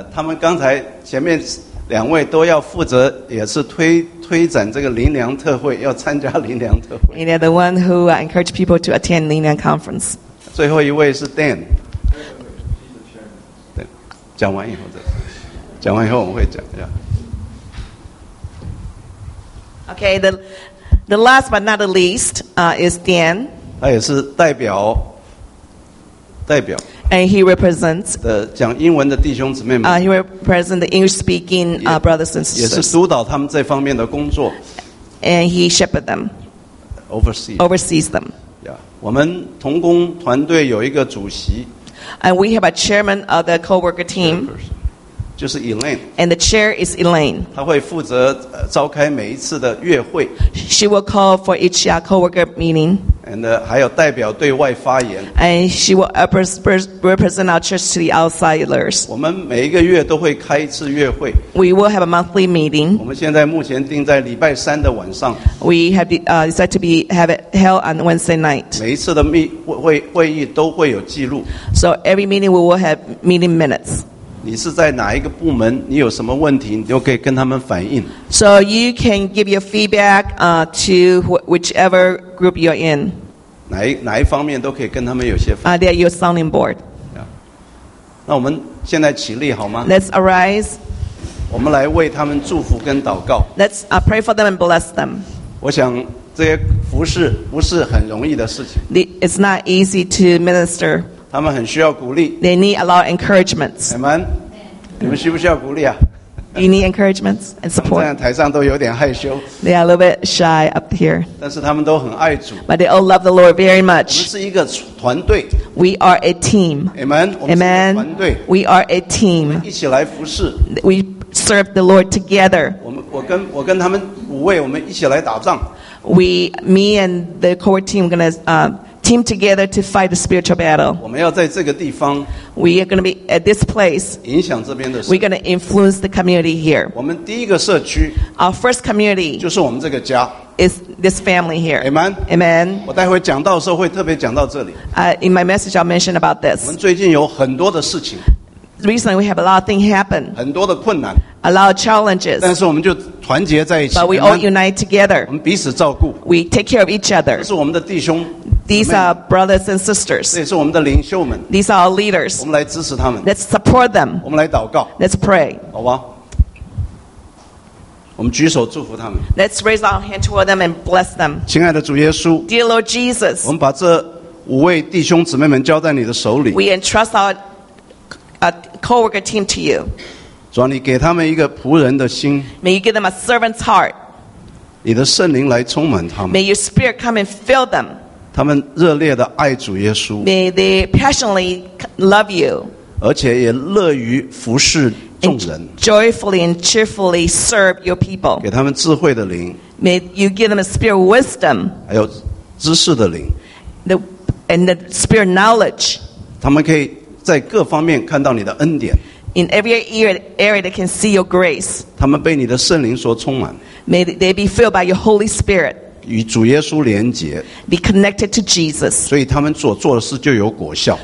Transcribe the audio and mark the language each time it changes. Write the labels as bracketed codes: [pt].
[zh] 他们刚才前面两位都要负责，也是推展这个灵粮特会，要参加灵粮特会。 [en] They are the one who encourage people to attend 灵粮 conference. [zh] 最后一位是 Dan. 讲完以后再讲完以后我们会讲 [en] Okay, the last but not the least is Dan. [zh] 他也是代表 [en] And he represents [zh] 讲英文的弟兄姊妹们 [en] He represents the English speaking brothers and sisters. [zh] 也是督导他们这方面的工作 [en] And he shepherds them Oversees them. [zh] 我们同工团队有一个主席 [en] And we have a chairman of the co-worker team. [zh] 就是 Elaine. [en] And the chair is Elaine. [zh] 她会负责召开每一次的月会。 [en] She will call for each co-worker meeting. [zh] And 还有代表对外发言。 [en] And she will represent our church to the outsiders. [zh] 我们每一个月都会开一次月会。 [en] We will have a monthly meeting. [zh] 我们现在目前定在礼拜三的晚上。 [en] We have decided to have it held on Wednesday night. [zh] 每一次的会议都会有记录。 [en] So every meeting we will have meeting minutes. [zh] 你是在哪一个部门？你有什么问题，你都可以跟他们反映。 [en] So you can give your feedback to whichever group you're in. [zh] 哪一方面都可以跟他们有些反映。 [en] They are your sounding board. [zh] 那我们现在起立好吗 [en] ？Let's arise. [zh] 我们来为他们祝福跟祷告。 [en] Let's pray for them and bless them. [zh] 我想这些服事不是很容易的事情。 [en] It's not easy to minister. [zh] 他们很需要鼓励。 [en] They need a lot of encouragements. [zh] Amen. 你们需不需要鼓励啊 [en] ？You need encouragements and support. [zh] 他们在台上都有点害羞。 [en] They are a little bit shy up here. [zh] 但是他们都很爱主。 [en] But they all love the Lord very much. [zh] 我们是一个团队。 [en] We are a team. Amen. Amen. [zh] 团队。 [en] We are a team. [zh] 一起来服事。 [en] We serve the Lord together. [zh] 我跟他们五位，我们一起来打仗。 [en] Me and the core team are gonna Team together to fight the spiritual battle. We are going to be at this place. We're going to influence the community here. Our first community is this family here. Amen. Amen. In my message, I'll mention about this. Recently, we have a lot of things happen. A lot of challenges. But we all unite together. We take care of each other. These are brothers and sisters. [zh] 这也是我们的领袖们。 [en] These are our leaders. [zh] 我们来支持他们。 [en] Let's support them. [zh] 我们来祷告。 [en] Let's pray. [zh] 好吧。我们举手祝福他们。 [en] Let's raise our hand toward them and bless them. [zh] 亲爱的主耶稣。 [en] Dear Lord Jesus. [zh] 我们把这五位弟兄姊妹们交在你的手里。 [en] We entrust our co-worker team to you. [zh] 主啊，你给他们一个仆人的心。 [en] May you give them a servant's heart. [zh] 你的圣灵来充满他们。 [en] May your spirit come and fill them. [zh] 他们热烈地爱主耶稣 [en] May they passionately love you [zh] 而且也乐于服侍众人 [en] Joyfully and cheerfully serve your people [zh] 给他们智慧的灵 [en] May you give them a spirit of wisdom [zh] 还有知识的灵 [en] And the spirit of knowledge [zh] 他们可以在各方面看到你的恩典 [en] In every area they can see your grace [zh] 他们被你的圣灵所充满 [en] May they be filled by your Holy Spirit [zh] 与主耶稣连结 [en] Be connected to Jesus [zh] 所以他们所做的事就有果效